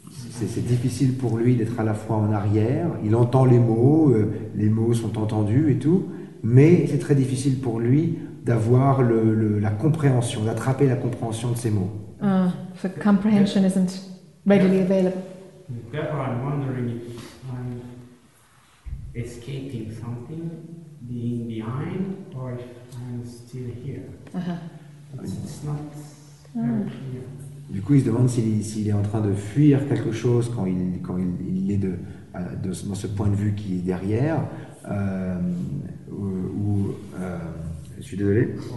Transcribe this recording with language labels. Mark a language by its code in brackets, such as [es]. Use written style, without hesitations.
[fr] C'est difficile pour lui d'être à la fois en arrière, il entend les mots sont entendus et tout, mais c'est très difficile pour lui d'avoir la compréhension, d'attraper la compréhension de ces mots. [en] So comprehension isn't readily available. Therefore, I'm wondering if I'm escaping something, being behind, or if I'm still here. It's not very clear. [fr] Du coup, il se demande s'il est en train de fuir quelque chose quand il est dans ce point de vue qui est derrière. Je suis désolé.